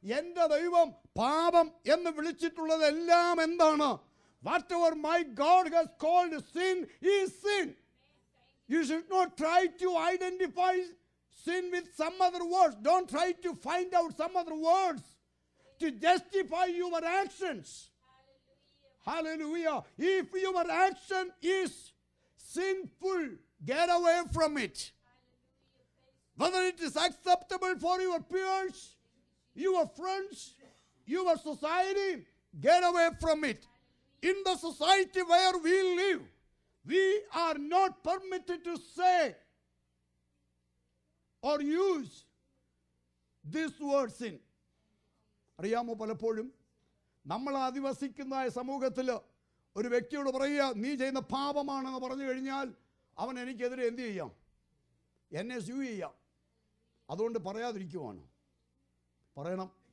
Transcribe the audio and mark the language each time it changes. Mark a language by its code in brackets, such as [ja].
[ml] എൻ്റെ ദൈവം പാപം എന്ന് വിളിച്ചിട്ടുള്ളതെല്ലാം എന്താണ്? [en] Whatever my God has called sin is sin. You should not try to identify sin with some other words. Don't try to find out some other words to justify your actions. Hallelujah. If your action is sinful, get away from it. Whether it is acceptable for your peers, your friends, your society, get away from it. In the society where we live, we are not permitted to say or use this word sin. [ml] അറിയാമോ, പലപ്പോഴും നമ്മൾ ആദിവസിക്കുന്ന സമൂഹത്തിൽ ഒരു വ്യക്തിയോട് പറയുക, നീ ചെയ്യുന്ന പാപമാണെന്ന് പറഞ്ഞു കഴിഞ്ഞാൽ അവൻ എനിക്കെതിരെ എന്ത് ചെയ്യാം? എന്നെ സ്യൂ ചെയ്യാം. അതുകൊണ്ട് പറയാതിരിക്കുവാണ്, പറയണം.